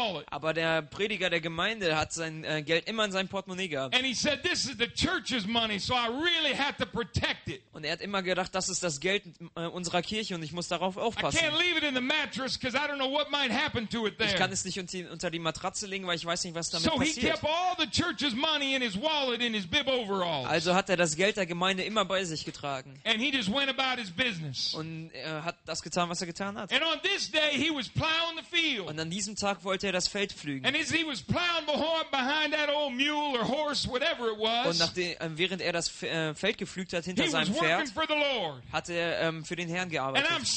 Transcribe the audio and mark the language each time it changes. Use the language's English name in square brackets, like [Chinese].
[German] Aber der Prediger der Gemeinde hat sein Geld immer in sein Portemonnaie gehabt. [English] And he said, this is the church's money, so I really have to protect it. [German] Und er hat immer gedacht, das ist das Geld unserer Kirche und ich muss darauf aufpassen. [English] I can't leave it in the mattress because I don't know what might happen to it there. [German] Ich kann es nicht unter die Matratze legen, weil ich weiß nicht, was damit [English] so [German] passiert. [English] So he kept all the church's money in his wallet in his bib overalls. [German] Also hat er das Geld der Gemeinde immer bei sich getragen. [English] And he just went about his business. [German] Und er hat das getan, was er getan hat. [English] And on this day he was plowing the field. [German] Und an diesem Tag wollte er das Feld pflügen. [English] And as he was plowing behind that old mule or horse, whatever it was. [German] Und während er das Feld gepflügt hat hinter seinem Pferd, hat er für den Herrn gearbeitet.